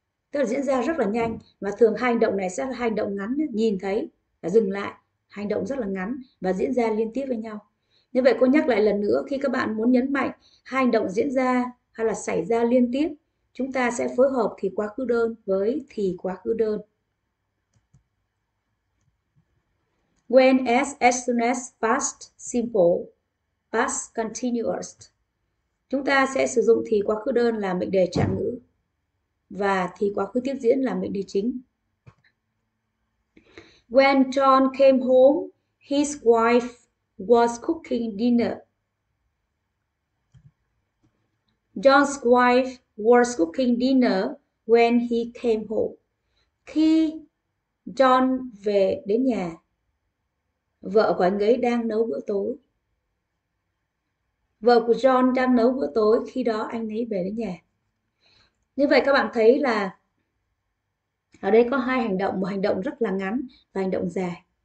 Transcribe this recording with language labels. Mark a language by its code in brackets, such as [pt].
[vi] Tức là diễn ra rất là nhanh và thường hai hành động này sẽ là hành động ngắn, nhìn thấy và dừng lại, hành động rất là ngắn và diễn ra liên tiếp với nhau. Như vậy cô nhắc lại lần nữa, khi các bạn muốn nhấn mạnh hai hành động diễn ra hay là xảy ra liên tiếp, chúng ta sẽ phối hợp thì quá khứ đơn với thì quá khứ đơn. [en] When as soon as past simple, past continuous. [vi] Chúng ta sẽ sử dụng thì quá khứ đơn làm mệnh đề trạng ngữ và thì quá khứ tiếp diễn làm mệnh đề chính. [en] When John came home, his wife was cooking dinner. John's wife was cooking dinner when he came home. [vi] Khi John về đến nhà, vợ của anh ấy đang nấu bữa tối. Vợ của John đang nấu bữa tối khi đó anh ấy về đến nhà. Như vậy các bạn thấy là ở đây có hai hành động, một hành động rất là ngắn và hành động dài.